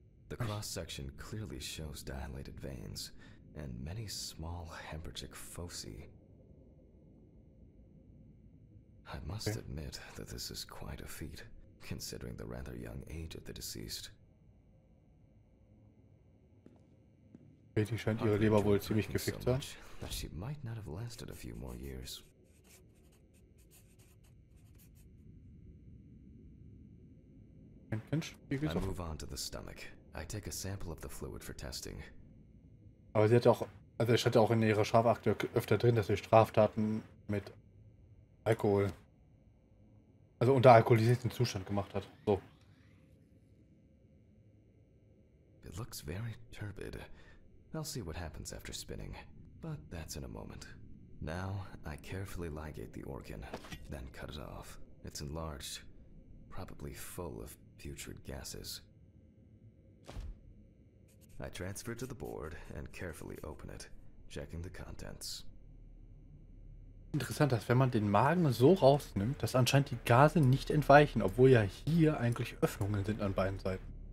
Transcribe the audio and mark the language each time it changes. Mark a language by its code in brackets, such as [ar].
[en] The cross-section clearly shows dilated veins and many small hemorrhagic foci. I must admit that this is quite a feat, considering the rather young age of the deceased. [de] Die scheint ihre Leber wohl ziemlich gefickt zu haben. [en] That she might not have lasted a few more years. I move on to the stomach. I take a sample of the fluid for testing. [de] Aber sie hat auch, also es stand auch in ihrer Strafakte öfter drin, dass sie Straftaten mit Alkohol, also unter alkoholisierten Zustand gemacht hat. So. [en] It looks very turbid. I'll see what happens after spinning. But that's in a moment. Now, I carefully ligate the organ, then cut it off. It's enlarged, probably full of putrid gases. I transfer it to the board and carefully open it, checking the contents. [de] Interessant, dass wenn man den Magen so rausnimmt, dass anscheinend die Gase nicht entweichen, obwohl ja hier eigentlich Öffnungen sind an beiden Seiten.